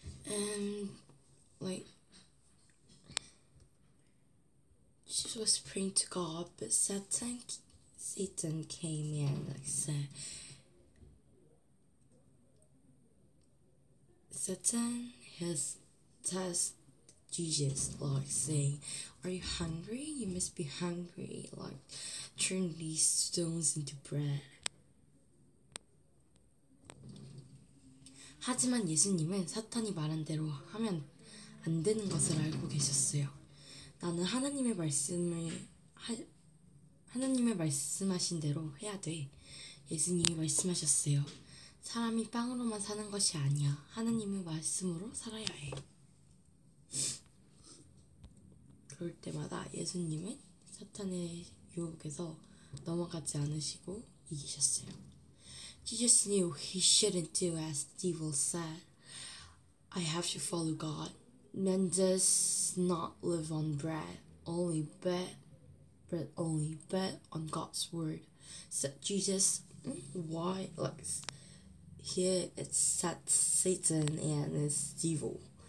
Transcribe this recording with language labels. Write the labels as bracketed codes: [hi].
[en] And Jesus was praying to God, but Satan came in and said, Satan has tested Jesus, like saying, are you hungry? You must be hungry, like turn these stones into bread. [ko] 하지만 예수님은 사탄이 말한 대로 하면 안 되는 것을 알고 계셨어요. 나는 하나님의 말씀하신 대로 해야 돼. 예수님이 말씀하셨어요. 사람이 빵으로만 사는 것이 아니야. 하나님의 말씀으로 살아야 해. 그럴 때마다 예수님은 사탄의 유혹에서 넘어가지 않으시고 이기셨어요. [en] Jesus knew he shouldn't do as the devil said. I have to follow God. Man does not live on bread only, but on God's word. Said Jesus, why? Like, here it said Satan and it's devil.